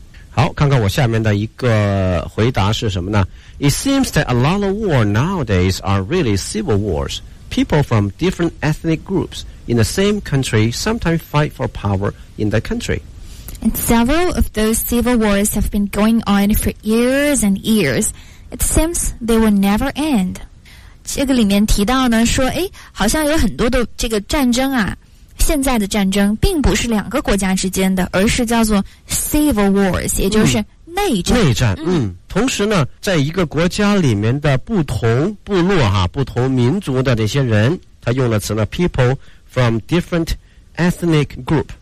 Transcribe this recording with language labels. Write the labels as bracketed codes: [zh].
[zh] 好，看看我下面的一个回答是什么呢？ [en] It seems that a lot of war nowadays are really civil wars. People from different ethnic groups in the same country sometimes fight for power in the country. And several of those civil wars have been going on for years and years. It seems they will never end. [zh] 这个里面提到呢，说，哎，好像有很多的这个战争啊，现在的战争并不是两个国家之间的，而是叫做 civil wars， 也就是内战。内战，同时呢，在一个国家里面的不同部落哈、不同民族的这些人，他用的词呢 ， [en] people from different ethnic group。